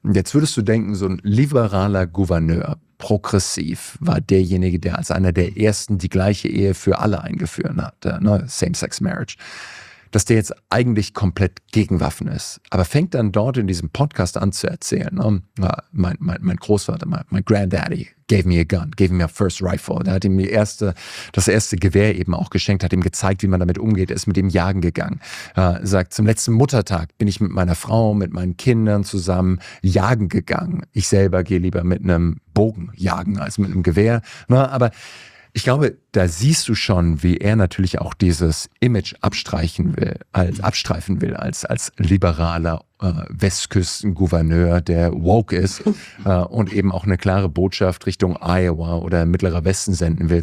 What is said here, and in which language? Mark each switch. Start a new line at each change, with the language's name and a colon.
German: Und jetzt würdest du denken, so ein liberaler Gouverneur, progressiv, war derjenige, der als einer der ersten die gleiche Ehe für alle eingeführt hat, ne? Same-Sex Marriage. Dass der jetzt eigentlich komplett gegen Waffen ist. Aber fängt dann dort in diesem Podcast an zu erzählen, ne? Mein Großvater, mein
English: Granddaddy gave me a gun, gave me a first rifle.
German: Der hat ihm das erste Gewehr eben auch geschenkt, hat ihm gezeigt, wie man damit umgeht, ist mit ihm jagen gegangen. Sagt, zum letzten Muttertag bin ich mit meiner Frau, mit meinen Kindern zusammen jagen gegangen. Ich selber gehe lieber mit einem Bogen jagen als mit einem Gewehr. Ne? Aber ich glaube, da siehst du schon, wie er natürlich auch dieses Image abstreifen will als liberaler Westküsten-Gouverneur, der woke ist und eben auch eine klare Botschaft Richtung Iowa oder Mittlerer Westen senden will.